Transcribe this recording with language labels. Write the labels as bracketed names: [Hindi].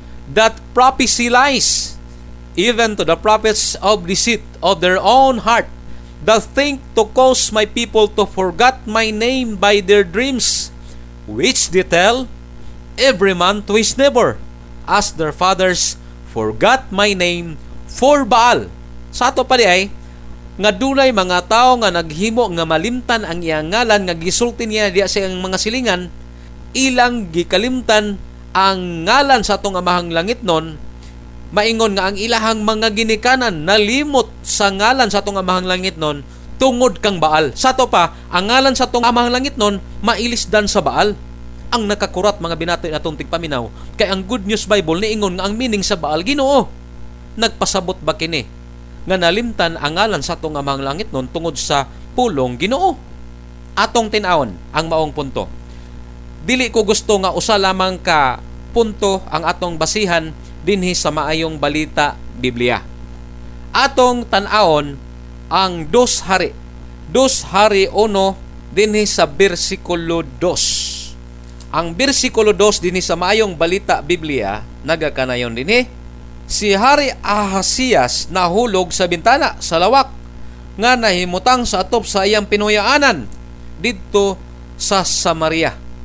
[English] That prophecy lies even to the prophets of deceit of their own heart, that think to cause my people to forget my name by their dreams, which they tell every man to his neighbor, as their fathers forgot my name for Baal. [Cebuano] Sa ato pa di ay, nga dunay mga tao nga naghimo nga malimtan ang iyang ngalan nga gisulti niya diya sa iyang mga silingan, ilang gikalimtan ang ngalan sa atong amahang langit nun, maingon nga ang ilahang mga ginikanan nalimot sa ngalan sa atong amahang langit nun tungod kang Baal. Sa ato pa, ang ngalan sa atong amahang langit nun mailis dan sa Baal. Ang nakakurat mga binati na itong tigpaminaw, kay ang Good News Bible niingon nga ang meaning sa Baal Ginoo. Nagpasabot ba kini nga nalimtan ang ngalan sa atong amahang langit nun tungod sa pulong Ginoo? Atong tinaon ang maong punto. Dili ko gusto nga usa lamang ka punto ang atong basihan dinhi sa maayong balita Biblia. Atong tan-aon ang dos hari. Dos hari uno dinhi sa bersikulo 2. Ang bersikulo 2 dinhi sa maayong balita Biblia, nagakanayon dinhi, si Hari Ahasias nahulog sa bintana sa lawak nga nahimutang sa atop sa iyang pinuyaanan dito sa Samaria.